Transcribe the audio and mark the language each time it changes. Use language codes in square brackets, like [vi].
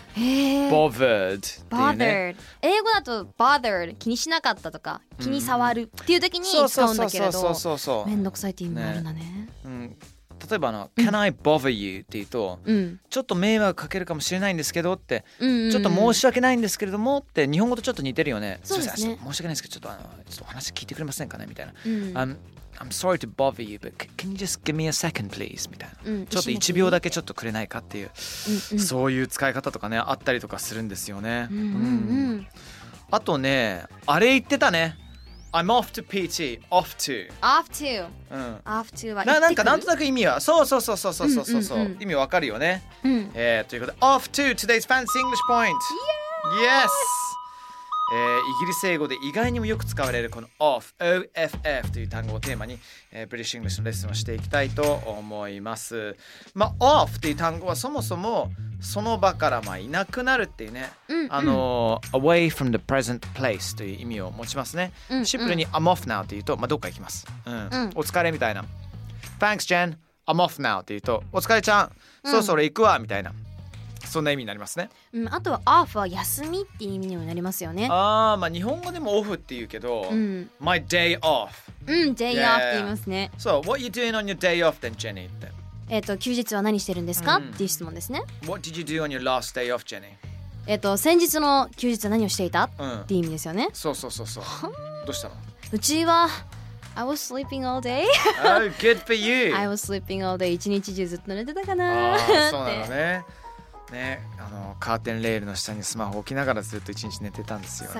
[ja] bothered っていうね、bothered、 英語だと bothered 気にしなかったとか気に触るっていう時に使うんだけれど、うん、そうそうそうそう、めんどくさいって意味もあるんだ ね、 ね、うん、例えばうん、 [en] Can I bother you [ja] っていうと、うん、ちょっと迷惑かけるかもしれないんですけどって、うんうんうん、ちょっと申し訳ないんですけれどもって日本語とちょっと似てるよね。そうですね、申し訳ないですけどちょっと話聞いてくれませんかねみたいな、うん、 [en] I'm sorry to bother you but can you just give me a second please [ja] みたいな、うん、ちょっと1秒だけちょっとくれないかっていう、うんうん、そういう使い方とかねあったりとかするんですよね、うんうんうん、あとねあれ言ってたね [en] I'm off to PT off to off to、 [ja] うん、 off to は行ってくる なんとなく意味はそうそうそうそうそうそうそう、うんうんうん、意味わかるよね、うん、ということで [en] off to today's fancy English point yes [ja] イギリス英語で意外にもよく使われるこの off off という単語をテーマに、British English のレッスンをしていきたいと思います。まあ off という単語はそもそもその場からまあいなくなるっていうね、うんうん、 [en] away from the present place という意味を持ちますね、 [ja] うんうん、シンプルに [en] I'm off now [ja] というと、まあ、どっか行きます、うんうん、お疲れみたいな [en] Thanks Jen I'm off now [ja] というとお疲れちゃん、うん、そろそろ行くわみたいなそんな意味になりますね、うん、あとは off は休みっていう意味にもなりますよね。ああ、まあ日本語でも off って言うけど、うん、 [en] my day off、 [ja] うん、day、yeah. off って言いますね。 [en] So what are you doing on your day off then Jenny [ja] って休日は何してるんですか、うん、っていう質問ですね。 [en] What did you do on your last day off Jenny? [ja] 先日の休日は何をしていた、うん、っていう意味ですよね。そうそうそうそう。どうしたの。うちは [en] I was sleeping all day Oh good for you I was sleeping all day [ja] 一日中ずっと寝てたかなあ、そうなのねね、カーテンレールの下にスマホ置きながらずっと一日寝てたんですよね。